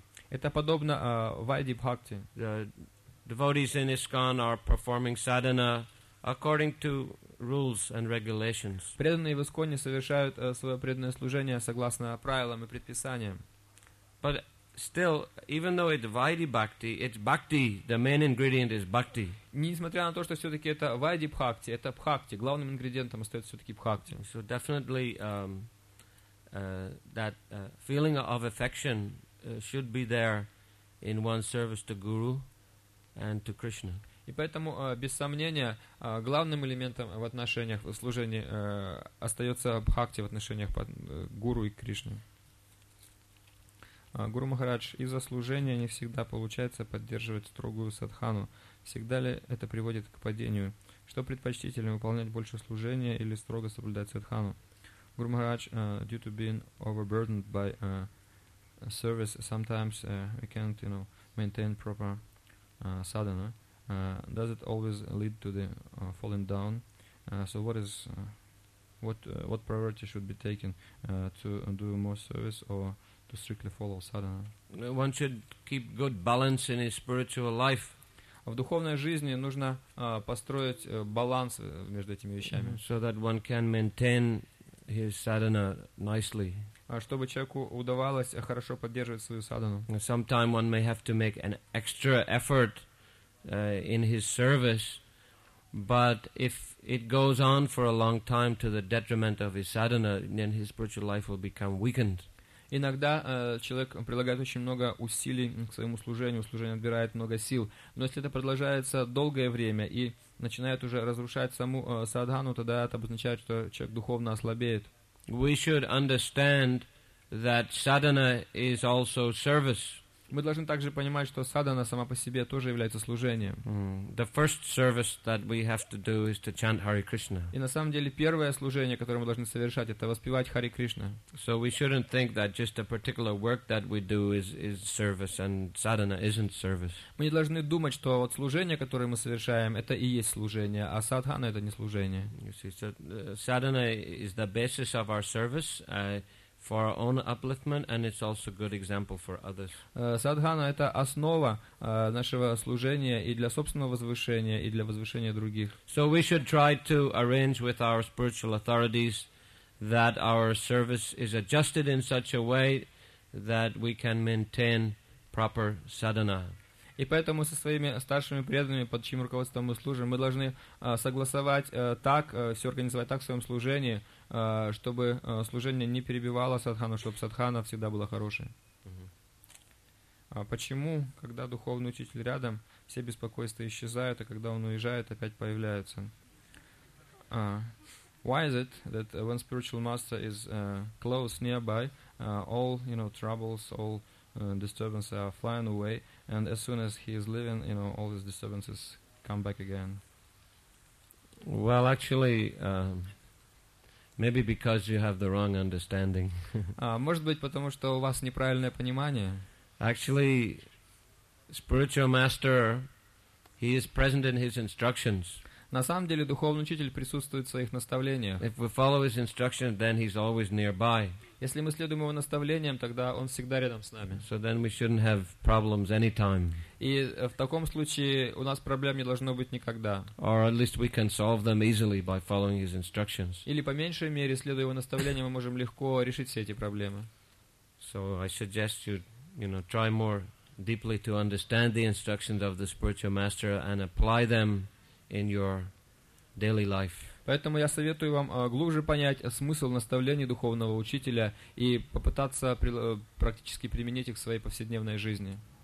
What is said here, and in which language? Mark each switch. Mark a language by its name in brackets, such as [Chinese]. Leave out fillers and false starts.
[Russian] Это подобно vaidhi bhakti. [English] Devotees in ISKCON are performing sadhana according to rules and regulations. [Russian] Преданные в ИСККОНе совершают свое преданное служение согласно правилам и предписаниям. [English] But still, even though it's vaidhi bhakti, it's bhakti. The main ingredient is bhakti. [Russian] Несмотря на то, что все-таки это vaidhi bhakti, это бхакти. Главным ингредиентом остается все-таки бхакти. [English] So definitely, that feeling of affection should be there in one's service to Guru and to Krishna. [Russian] И поэтому, без сомнения, главным элементом в отношениях, в служении остается бхакти в отношениях Гуру и Кришны. Гуру Махарадж, из-за служения не всегда получается поддерживать строгую садхану. Всегда ли это приводит к падению? Что предпочтительнее, выполнять больше служения или строго соблюдать садхану? [English] Гуру Махарадж, due to being overburdened by service, sometimes we can't, you know, maintain proper sadhana. Does it always lead to the falling down? So what is what priority should be taken, to do more service or to strictly follow sadhana? One should keep good balance in his spiritual life. [Russian] В духовной жизни нужно построить баланс между этими вещами. [English] So that one can maintain his sadhana nicely. [Russian] Чтобы человеку удавалось хорошо поддерживать свою садхану. [English] Sometimes one may have to make an extra effort in his service, but if it goes on for a long time to the detriment of his sadhana, then his spiritual life will become weakened. [Russian] Иногда человек прилагает очень много усилий к своему служению, служение отбирает много сил. Но если это продолжается долгое время и начинает уже разрушать саму садхану, тогда это обозначает, что человек духовно ослабеет. [English] We should understand that sadhana is also service. [Russian] Мы должны также понимать, что садхана сама по себе тоже является служением. [English] The first service that we have to do is to chant Hare Krishna. [Russian] И на самом деле первое служение, которое мы должны совершать, это воспевать Hare Krishna. [English] So we shouldn't think that just a particular work that we do is service and sadhana isn't service. [Russian] Мы не должны думать, что вот служение, которое мы совершаем, это и есть служение, а садхана это не служение. [English] You see, so, sadhana is the basis of our service. For our own upliftment, and it's also a good example for others. [Russian] Садхана это основа нашего служения и для собственного возвышения и для возвышения других. [English] So we should try to arrange with our spiritual authorities that our service is adjusted in such a way that we can maintain proper sadhana. [Russian] И поэтому со своими старшими преданными, под чьим руководством мы служим, мы должны согласовать так, все организовать так в своем служении, чтобы служение не перебивало садхану, чтобы садхана всегда была хорошей. Почему, когда духовный учитель рядом, все беспокойства исчезают, а когда он уезжает, опять появляются? [English] Why is it that when spiritual master is close nearby, all, you know, troubles, all disturbances are flying away, and as soon as he is leaving, you know, all these disturbances come back again? Well, actually, maybe because you have the wrong understanding. [Russian] Может быть, потому что у вас неправильное понимание. [English] Actually, spiritual master, he is present in his instructions. [Russian] На самом деле, духовный учитель присутствует в своих наставлениях. [English] If we follow his instructions, then he's always nearby. [Russian] Если мы следуем его наставлениям, тогда он всегда рядом с нами. [English] So then we shouldn't have problems anytime. [Russian] И в таком случае у нас проблем не должно быть никогда. [English] Or at least we can solve them easily by following his instructions. [Russian] Или по меньшей мере, следуя его наставлениям, мы можем легко решить все эти проблемы. [English] So I suggest you, you know, try more deeply to understand the instructions of the spiritual master and apply them in your daily life. [Russian] Поэтому я советую вам глубже понять смысл наставлений духовного учителя и попытаться практически применить их в своей повседневной жизни.